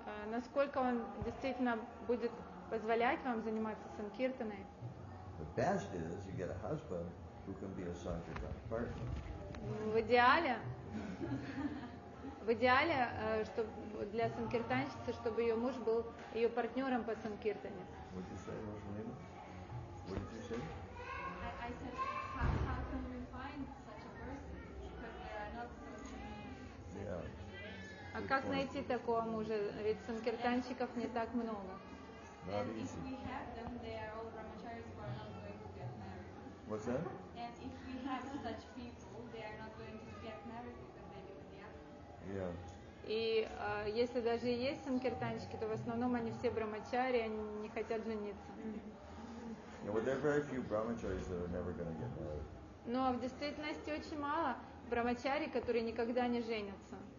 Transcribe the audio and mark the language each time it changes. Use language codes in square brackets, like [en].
[ru] Насколько он действительно будет позволять вам заниматься санкиртаной? [en] The best is you get a husband who can be a sankirtan partner. [ru] В идеале, чтобы для санкиртанщицы, чтобы ее муж был ее партнером по санкиртане. [en] What did you say, what's your name? What did you say? I said, how can we find such a person? Because there are not so many. Yeah. [ru] А как найти такого мужа? Ведь санкиртанщиков не так много. [en] And if we have them, they are all brahmacharis who are not going to get married. What's that? And if we have such people, they are not going to get married. Yeah. [ru] И если даже есть санкиртанщики, то в основном они все брахмачари, они не хотят жениться. [en] Yeah, well, there are very few brahmacharis that are never going to get married. [ru] Но в действительности очень мало брамачари, которые никогда не женятся.